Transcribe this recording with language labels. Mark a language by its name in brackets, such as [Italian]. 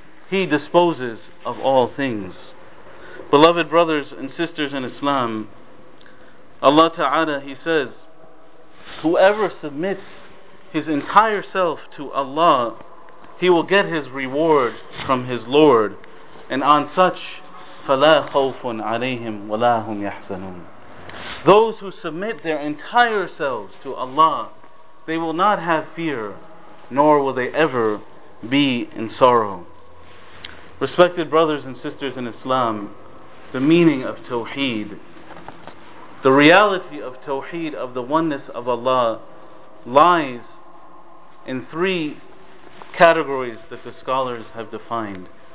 [English] He disposes of all things. Beloved brothers and sisters in Islam, Allah Ta'ala, He says, whoever submits his entire self to Allah, he will get his reward from his Lord. And on such, [Arabic] فَلَا خَوْفٌ عَلَيْهِمْ وَلَا هُمْ يَحْزَنُونَ. [English] Those who submit their entire selves to Allah, they will not have fear, nor will they ever be in sorrow. Respected brothers and sisters in Islam, the meaning of Tawheed, the reality of Tawheed, of the oneness of Allah, lies in three categories that the scholars have defined.